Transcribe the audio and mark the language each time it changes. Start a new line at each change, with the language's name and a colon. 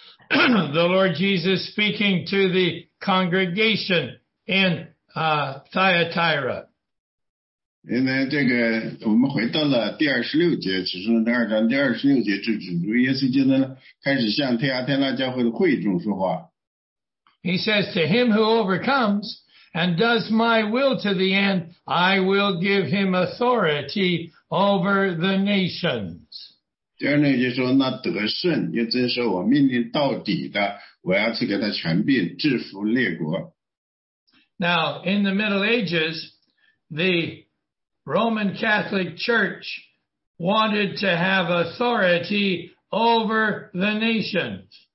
English: The Lord Jesus speaking to the congregation in Thyatira.
Chinese: 因为这个我们回到了第26节，其实第二章第26节，主耶稣基督开始向提亚天大教会的会众说话。
English: He says, to him who overcomes, and does my will to the end, I will give him authority over the nations.
Chinese: 第二呢，就说那得胜，也就是说我命令到底的，我要赐给他权柄，制服列国。
English: Now, in the Middle Ages, the Roman Catholic Church wanted to have authority over the nations.